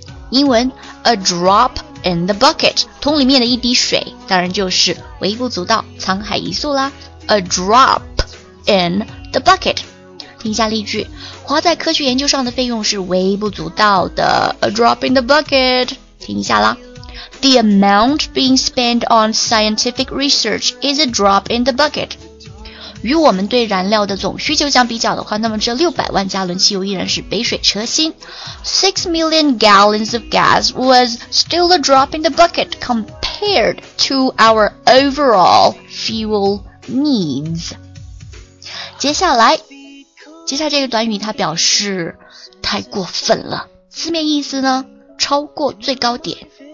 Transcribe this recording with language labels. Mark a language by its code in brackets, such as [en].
[zh] 英文 [en] a drop in the bucket, [zh] 桶里面的一滴水，当然就是微不足道、沧海一粟啦。 [en] A drop in the bucket. [zh] 听一下例句，花在科学研究上的费用是微不足道的。 [en] A drop in the bucket. [zh] 听一下啦。 [en] The amount being spent on scientific research is a drop in the bucket. [zh] 与我们对燃料的总需求相比较的话，那么这600万加仑汽油依然是杯水车薪。 [en] 6 million gallons of gas was still a drop in the bucket compared to our overall fuel needs. [zh] 接下来这个短语它表示太过分了，字面意思呢，超过最高点。